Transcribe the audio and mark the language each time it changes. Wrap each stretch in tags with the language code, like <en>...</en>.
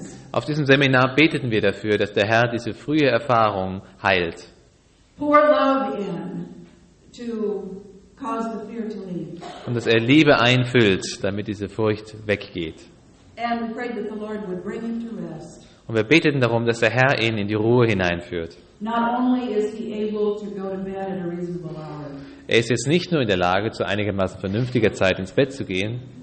<de>Auf diesem Seminar beteten wir dafür, dass der Herr diese frühe Erfahrung heilt.</de> <en>Pour love in to cause the fear to leave.</en> <de>Und dass er Liebe einfüllt, damit diese Furcht weggeht.</de> <en>And we prayed that the Lord would bring him to rest.</en> <de>Und wir beteten darum, dass der Herr ihn in die Ruhe hineinführt.</de> <en>Not only is he able to go to bed at a reasonable hour.</en> <de>Er ist jetzt nicht nur in der Lage, zu einigermaßen vernünftiger Zeit ins Bett zu gehen.</de>